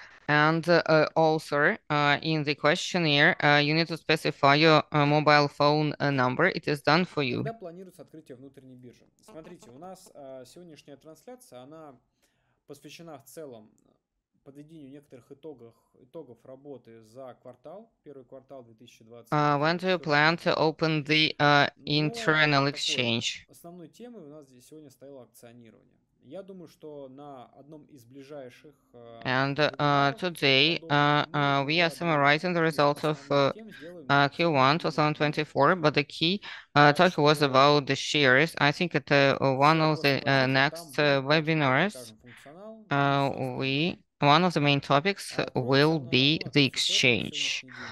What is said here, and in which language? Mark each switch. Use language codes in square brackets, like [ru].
[en] And also, in the questionnaire, you need to specify your mobile phone number. It is done for you. [ru] Когда планируется открытие внутренней биржи? Смотрите, у нас сегодняшняя трансляция, она посвящена в целом подведению некоторых итогов работы за квартал, первый квартал 2020. [en] When do you plan to open the internal exchange? [ru] Основной темой у нас здесь сегодня стояло акционирование. Я думаю, что на одном из ближайших... [en] And today we are summarizing the results of Q1 2024, but the key talk was about the shares. I think at one of the next webinars, one of the main topics will be the exchange.